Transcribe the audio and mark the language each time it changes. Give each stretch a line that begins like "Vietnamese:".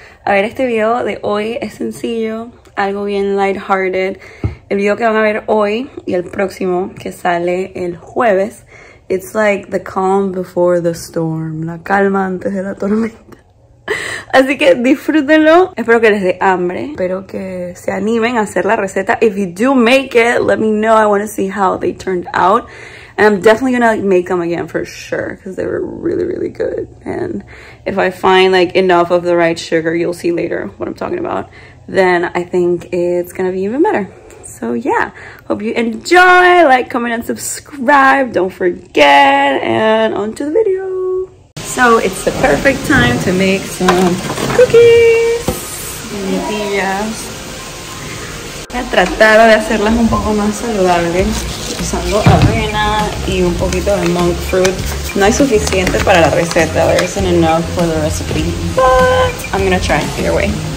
Spanish: A ver, este video de hoy es sencillo, algo bien lighthearted. El video que van a ver hoy y el próximo que sale el jueves,
English: it's like the calm before the storm,
Spanish: la calma antes de la tormenta. Así que disfrútenlo. Espero que les dé hambre. Espero que se animen a hacer la receta.
English: If you do make it, let me know. I want to see how they turned out. And I'm definitely gonna like make them again for sure, because they were really, really good. And if I find like enough of the right sugar, you'll see later what I'm talking about, then I think it's gonna be even better. So yeah, hope you enjoy. Like, comment, and subscribe. Don't forget. And on to the video. So it's the perfect time to make some cookies.
Spanish: Voy a tratar de hacerlas un poco más saludables. Usando avena y un poquito de monk fruit. No es suficiente para la receta.
English: There isn't enough for the recipe. But I'm gonna try it either way.